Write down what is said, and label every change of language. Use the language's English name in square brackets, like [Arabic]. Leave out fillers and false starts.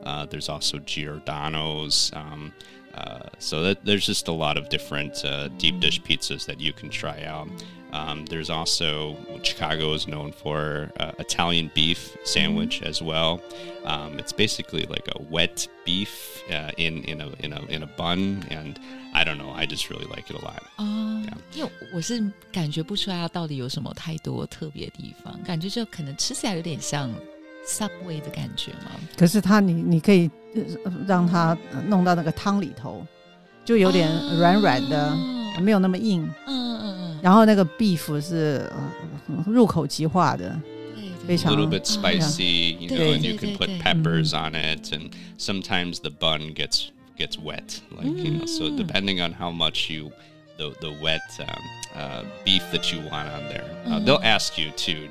[English] There's also Giordano's. So that, there's just a lot of different deep dish pizzas that you can try out. There's also, Chicago is known for Italian beef sandwich mm-hmm. as well. It's basically like a wet beef in a bun, and I don't know, I just really like it a lot. [Chinese] 因为我是感觉不出来到底有什么太多特别的地方，感觉就可能吃起来有点像Subway 的感觉吗？可是它你可以让它弄到那个汤里头，就有点软软的，没有那么硬。然后那个 beef 是入口即化的，非常 [English] a little bit spicy, you know, and you can put peppers on it, and sometimes the bun gets wet, like you know. So depending on how much you the wet beef that you want on there, they'll ask you too.